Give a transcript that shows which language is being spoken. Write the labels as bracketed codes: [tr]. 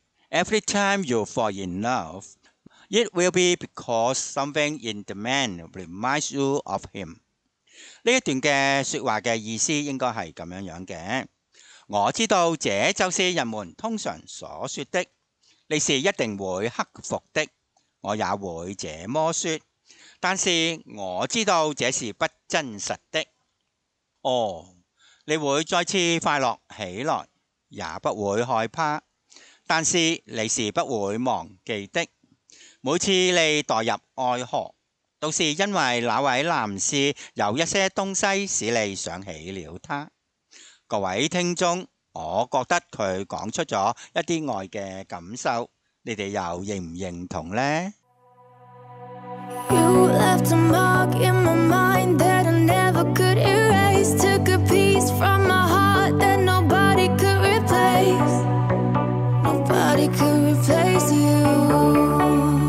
[en] Every time you fall in love, it will be because something in the man reminds you of him. [zh] 这一段的说话的意思应该是这样的。我知道这就是人们通常所说的，你是一定会克服的，我也会这么说，但是我知道这是不真实的。哦，你会再次快乐起来，也不会害怕，但是你是不会忘记的。每次你堕入爱河，都是因为那位男士有一些东西使你想起了他。各位听众，我觉得他讲出了一些爱的感受，你们又认不认同呢？ [en] You left a mark in my mind that I never could erase. Took a piece from my heart that nobody could replace. Nobody could replace you.